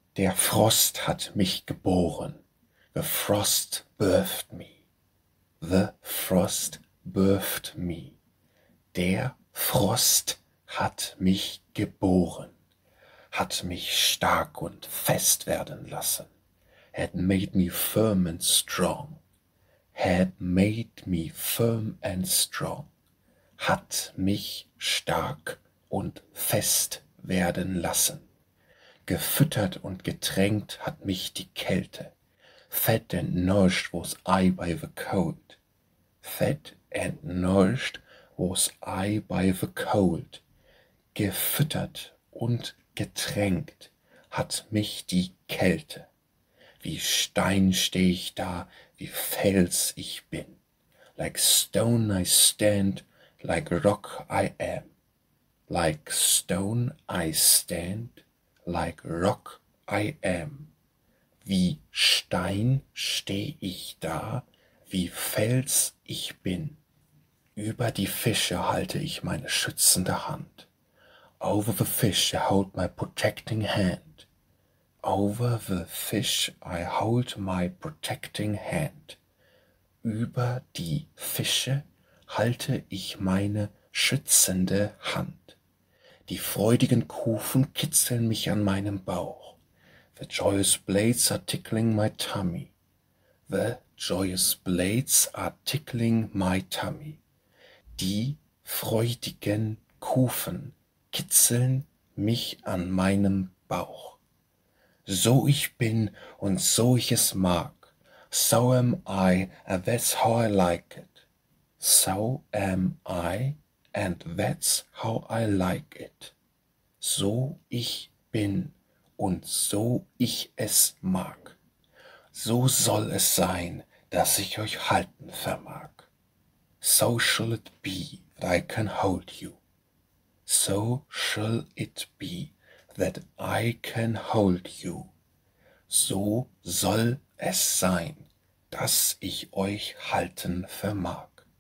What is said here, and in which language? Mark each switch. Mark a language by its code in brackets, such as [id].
[de] Der Frost hat mich geboren. [en] The frost birthed me. The frost birthed me. [de] Der Frost hat mich geboren. Hat mich stark und fest werden lassen. [en] Had made me firm and strong. Had made me firm and strong. [de] Hat mich stark und fest werden lassen. Gefüttert und getränkt hat mich die Kälte. [en] Fed and nourished was I by the cold. Fed and nourished was I by the cold. [de] Gefüttert und getränkt hat mich die Kälte. Wie Stein steh ich da, wie Fels ich bin. [en] Like stone I stand, like rock I am. Like stone I stand, like rock I am. [de] Wie Stein steh ich da, wie Fels ich bin. Über die Fische halte ich meine schützende Hand. [en] Over the fish I hold my protecting hand. Over the fish I hold my protecting hand. [de] Über die Fische halte ich meine schützende Hand. Die freudigen Kufen kitzeln mich an meinem Bauch. [en] The joyous blades are tickling my tummy. The joyous blades are tickling my tummy. [de] Die freudigen Kufen kitzeln mich an meinem Bauch. So ich bin und so ich es mag. [en] So am I and that's how I like it. So am I and that's how I like it. [de] So ich bin und so ich es mag. So soll es sein, dass ich euch halten vermag. [en] So shall it be that I can hold you. So shall it be that I can hold you. [de] So soll es sein, dass ich euch halten vermag.